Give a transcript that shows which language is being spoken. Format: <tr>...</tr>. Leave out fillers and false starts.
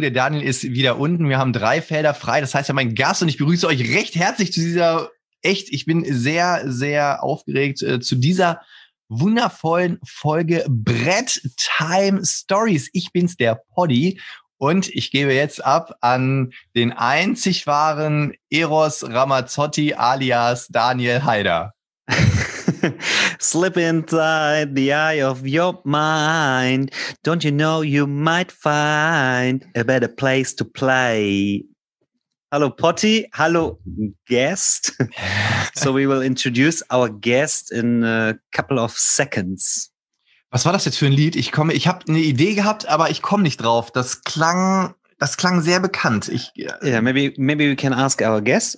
<de>Der Daniel ist wieder unten. Wir haben drei Felder frei. Das heißt, ja, mein Gast und ich begrüße euch recht herzlich zu dieser, echt, ich bin sehr, sehr aufgeregt, zu dieser wundervollen Folge Brett Time Stories. Ich bin's, der Poddy. Und ich gebe jetzt ab an den einzig wahren Eros Ramazzotti alias Daniel Haider.</de> <en>Slip inside the eye of your mind. Don't you know you might find a better place to play?</en> <de>Hallo Potti, hallo Guest.</de> <en>So we will introduce our guest in a couple of seconds.</en> <de>Was war das jetzt für ein Lied? Ich habe eine Idee gehabt, aber ich komme nicht drauf. Das klang sehr bekannt.</de> <en>Maybe we can ask our guest.</en>